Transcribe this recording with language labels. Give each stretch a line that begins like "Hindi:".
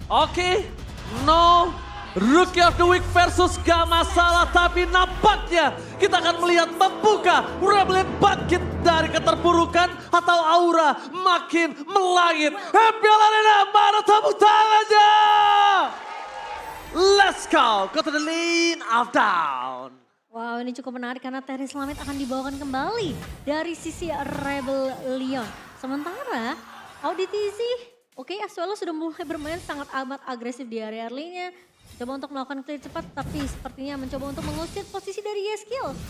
Indonesian: Oke. No. Rookie of the Week versus gak masalah, tapi nampaknya kita akan melihat membuka Rebellion bangkit dari keterpurukan atau aura makin melangit. MPL Arena, mana tepuk tangannya?
English: Let's go, go to the lane of down.
Indonesian: Wow, ini cukup menarik karena Terry Slamet akan dibawakan kembali dari sisi Rebellion. Sementara Auditizi, oke, okay, Asuelo sudah mulai bermain sangat amat agresif di area early-nya. Coba untuk melakukan clear cepat, tapi sepertinya mencoba untuk mengusir posisi dari Yeskiel.